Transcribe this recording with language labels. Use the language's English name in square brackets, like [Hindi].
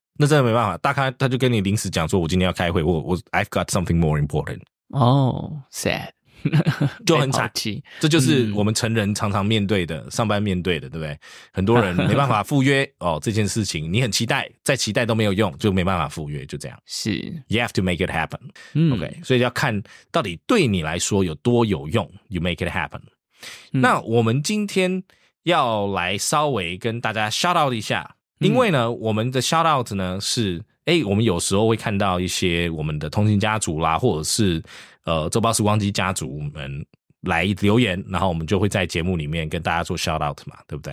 [Chinese] 那真的没办法，大咖他就跟你临时讲说，我今天要开会，我 [English] I've got something more important。哦、sad, [Chinese] 就很惨，这就是我们成人常常面对的、上班面对的，对不对？很多人没办法赴约哦，这件事情你很期待，再期待都没有用，就没办法赴约，就这样。是 [English] ，you have to make it happen、。OK, [Chinese] 所以要看到底对你来说有多有用 [English] ，you make it happen、。 [Chinese] 那我们今天要来稍微跟大家 shout out 一下，因为呢，我们的 shout out 呢是。欸，我们有时候会看到一些我们的通信家族啦，或者是周报时光机家族们来留言，然后我们就会在节目里面跟大家做 shout out 嘛，对不对？